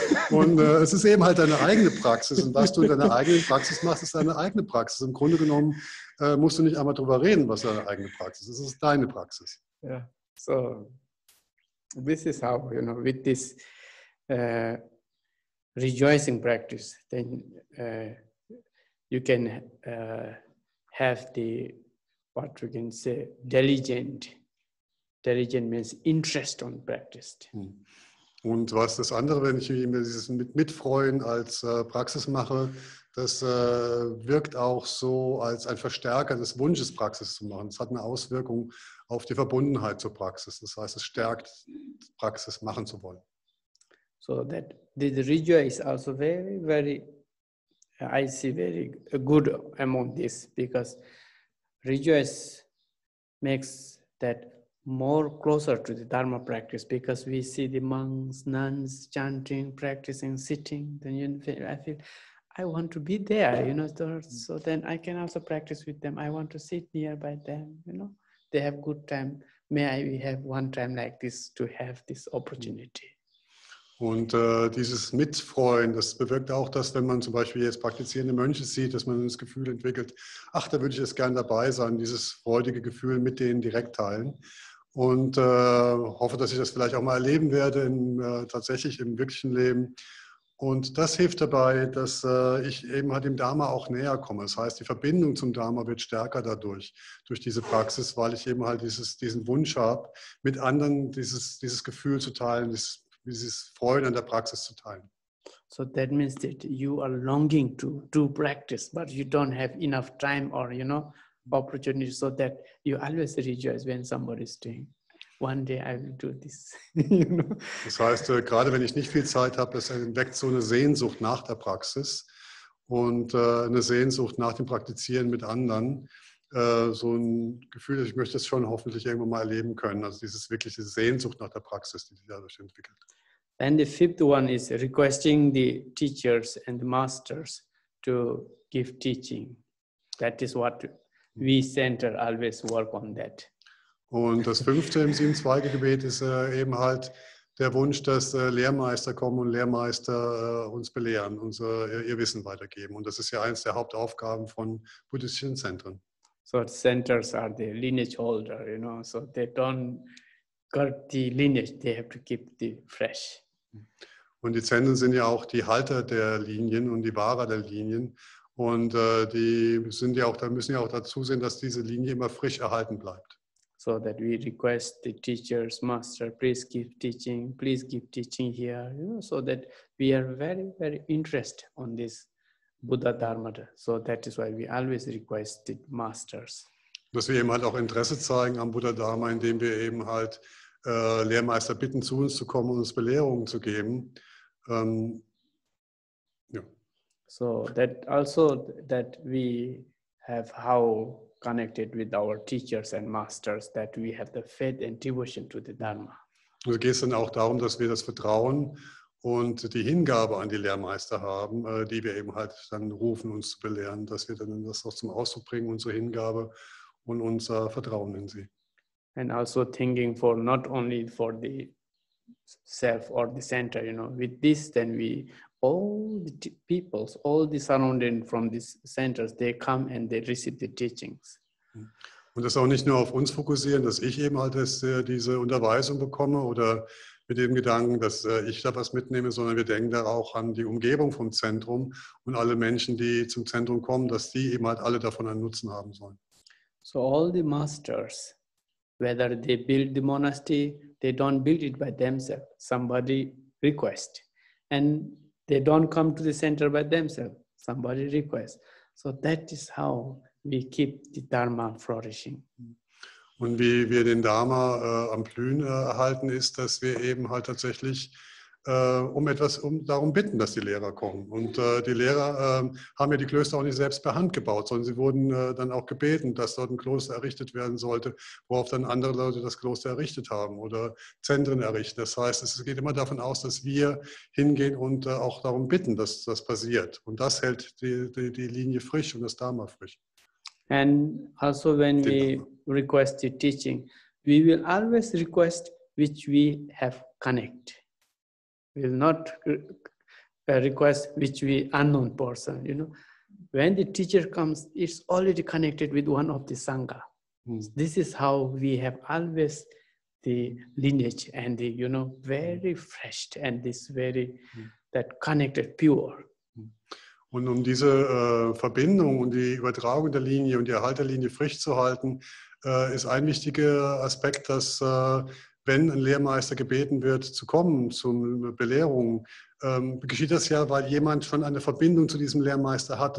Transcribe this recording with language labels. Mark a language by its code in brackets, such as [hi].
[de] Und es ist eben halt deine eigene Praxis und was du in deiner eigenen Praxis machst, ist deine eigene Praxis. Im Grunde genommen musst du nicht einmal drüber reden, was deine eigene Praxis ist, es ist deine Praxis. Ja, yeah. [en] So this is how, you know, with this rejoicing practice, then you can have the, what we can say, diligent. Diligent means interest on practice. [de] Und was das andere, wenn ich mir dieses Mitfreuen als Praxis mache, das wirkt auch so als ein Verstärker des Wunsches, Praxis zu machen. Es hat eine Auswirkung auf die Verbundenheit zur Praxis. Das heißt, es stärkt, Praxis machen zu wollen. [en] So that the rejoice is also very, very, I see very good among this, because rejoice makes that more closer to the Dharma practice, because we see the monks, nuns chanting, practicing, sitting. Then you feel, I feel I want to be there, you know, so then I can also practice with them. I want to sit nearby them, you know, they have good time. May I have one time like this to have this opportunity. [de] Und dieses Mitfreuen, das bewirkt auch, dass wenn man zum Beispiel jetzt praktizierende Mönche sieht, dass man das Gefühl entwickelt, ach, da würde ich jetzt gern dabei sein, dieses freudige Gefühl mit denen direkt teilen. Und hoffe, dass ich das vielleicht auch mal erleben werde, tatsächlich im wirklichen Leben. Und das hilft dabei, dass ich eben halt dem Dharma auch näher komme. Das heißt, die Verbindung zum Dharma wird stärker dadurch, durch diese Praxis, weil ich eben halt diesen Wunsch habe, mit anderen dieses Gefühl zu teilen, dieses Freuen an der Praxis zu teilen. [en] So that means that you are longing to do practice, but you don't have enough time or, you know, opportunity, so that you always rejoice when somebody is doing. One day I will do this. You know? [de] Das heißt, gerade wenn ich nicht viel Zeit habe, das weckt so eine Sehnsucht nach der Praxis und eine Sehnsucht nach dem Praktizieren mit anderen. So ein Gefühl, ich möchte es schon hoffentlich irgendwann mal erleben können. Also dieses wirkliche Sehnsucht nach der Praxis, die sich dadurch entwickelt. [en] And the fifth one is requesting the teachers and the masters to give teaching. That is what we center always work on that. [de] Und das fünfte im 7-Zweige-Gebet ist eben halt der Wunsch, dass Lehrmeister kommen und Lehrmeister uns belehren, ihr Wissen weitergeben. Und das ist ja eines der Hauptaufgaben von buddhistischen Zentren. [en] So centers are the lineage holder, you know, so they don't got the lineage, they have to keep the fresh. [de] Und die Zentren sind ja auch die Halter der Linien und die Wahrer der Linien. Und müssen ja auch dazu sehen, dass diese Linie immer frisch erhalten bleibt. [en] So that we request the teachers, master, please give teaching here, you know, so that we are very, very interested on this Buddha Dharma. So that is why we always requested masters. [de] Dass wir eben halt auch Interesse zeigen am Buddha Dharma, indem wir eben halt Lehrmeister bitten, zu uns zu kommen und uns Belehrungen zu geben. [en] So that also that we have how connected with our teachers and masters, that we have the faith and devotion to the Dharma. [de] Also geht es dann auch darum, dass wir das Vertrauen und die Hingabe an die Lehrmeister haben, die wir eben halt dann rufen, uns zu belehren, dass wir dann das auch zum Ausdruck bringen, unsere Hingabe und unser Vertrauen in sie. [en] And also thinking for not only for the self or the center, you know, with this then we, all the peoples, all the surrounding from these centers, they come and they receive the teachings. [de] Und das auch nicht nur auf uns fokussieren, dass ich eben halt diese Unterweisung bekomme oder mit dem Gedanken, dass ich da was mitnehme, sondern wir denken da auch an die Umgebung vom Zentrum und alle Menschen, die zum Zentrum kommen, dass die eben halt alle davon einen Nutzen haben sollen. [en] So all the masters, whether they build the monastery, they don't build it by themselves. Somebody request. And they don't come to the center by themselves. Somebody request. So that is how we keep the Dharma flourishing. [de] Und wie wir den Dharma am Blühen erhalten, ist, dass wir eben halt tatsächlich darum bitten, dass die Lehrer kommen. Und die Lehrer haben ja die Klöster auch nicht selbst per Hand gebaut, sondern sie wurden dann auch gebeten, dass dort ein Kloster errichtet werden sollte, worauf dann andere Leute das Kloster errichtet haben oder Zentren errichten. Das heißt, es geht immer davon aus, dass wir hingehen und auch darum bitten, dass das passiert. Und das hält die Linie frisch und das Dharma frisch. [en] And also when we request the teaching, we will always request which we have connect. We will not request which we unknown person, you know. When the teacher comes, it's already connected with one of the Sangha. This is how we have always the lineage and the, you know, very fresh and this very, that connected pure. [de] Und um diese Verbindung und die Übertragung der Linie und die Erhalt der Linie frisch zu halten, ist ein wichtiger Aspekt, dass wenn ein Lehrmeister gebeten wird, zu kommen, zur Belehrung, geschieht das ja, weil jemand schon eine Verbindung zu diesem Lehrmeister hat.